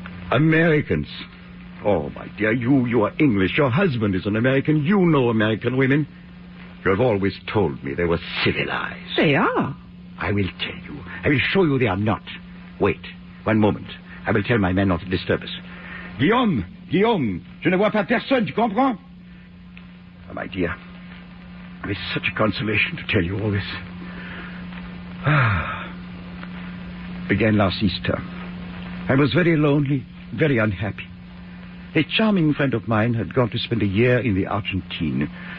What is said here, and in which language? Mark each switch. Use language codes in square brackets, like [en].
[en] Americans. Oh, my dear, you are English. Your husband is an American. You know American women. You have always told me they were civilized. They are. I will tell you. I will show you they are not. Wait. One moment. I will tell my men not to disturb us. [fr] Guillaume, je ne vois pas personne, tu comprends? [en] Oh, my dear, it is such a consolation to tell you all this. Began last Easter. I was very lonely, very unhappy. A charming friend of mine had gone to spend a year in the Argentine.